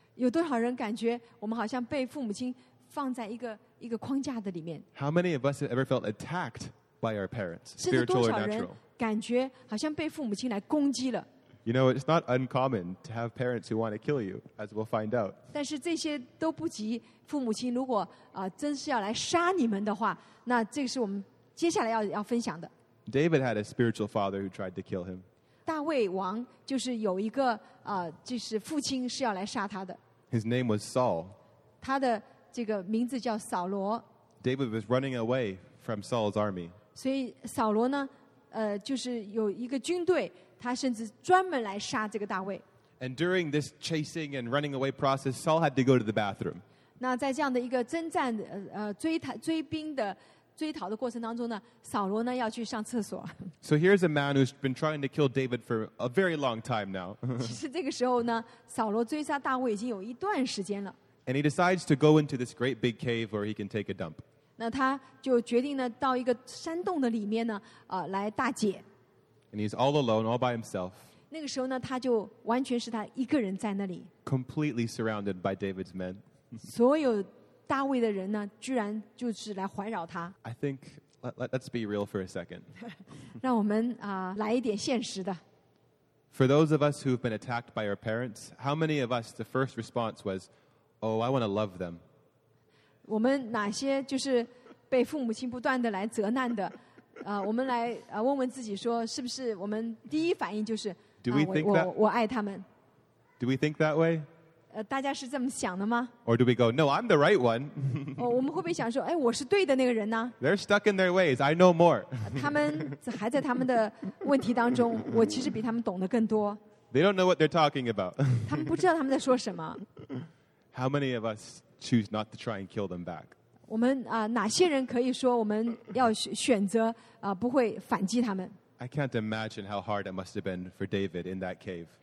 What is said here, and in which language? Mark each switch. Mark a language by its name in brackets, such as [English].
[Chinese] 有多少人感觉我们好像被父母亲放在一个框架的里面？ [English] How many of us have ever felt attacked by our parents, spiritual or natural? [Chinese] 感觉好像被父母亲来攻击了。 [English] You know, it's not uncommon to have parents who want to kill you, as we'll find out. [Chinese] 但是这些都不及父母亲如果真是要来杀你们的话，那这个是我们接下来要分享的。 [English] David had a spiritual father who tried to kill him. [Chinese] 大卫王就是有一个就是父亲是要来杀他的。 [English] His name was Saul. [Chinese] 他的这个名字叫扫罗。 [English] David was running away from Saul's army. [Chinese] 所以扫罗呢，就是有一个军队，他甚至专门来杀这个大卫。 [English] And during this chasing and running away process, Saul had to go to the bathroom. [Chinese] 那在这样的一个征战追逃的过程当中呢，扫罗呢要去上厕所。 [English] So here's a man who's been trying to kill David for a very long time now. [Chinese] 其实这个时候呢，扫罗追杀大卫已经有一段时间了。 [English] And he decides to go into this great big cave where he can take a dump. [Chinese] 那他就决定呢，到一个山洞的里面呢，来大解。 [English] And he's all alone, all by himself. [Chinese] 那个时候呢，他就完全是他一个人在那里。 [English] Completely surrounded by David's men. [Chinese] 所有大卫的人呢，居然就是来环绕他。 [English] I think let's be real for a second. [Chinese] 让我们来一点现实的。 [English] For those of us who've been attacked by our parents, how many of us the first response was, Oh, I want to love them. [Chinese] 我们哪些就是被父母亲不断的来责难的？我们来问问自己说，是不是我们第一反应就是 [English] Do we think that? [Chinese] 我爱他们。 [English] Do we think that way? [Chinese] 大家是这么想的吗？ [English] Or do we go? No, I'm the right one. [Chinese] 我们会不会想说，哎，我是对的那个人呢？ [English] They're stuck in their ways. I know more. [Chinese] 他们还在他们的问题当中，我其实比他们懂得更多。 [English] They don't know what they're talking about. [Chinese] 他们不知道他们在说什么。 [English] How many of us choose not to try and kill them back? [Chinese] 我们哪些人可以说我们要选择不会反击他们？ [English] I can't imagine how hard it must have been for David in that cave.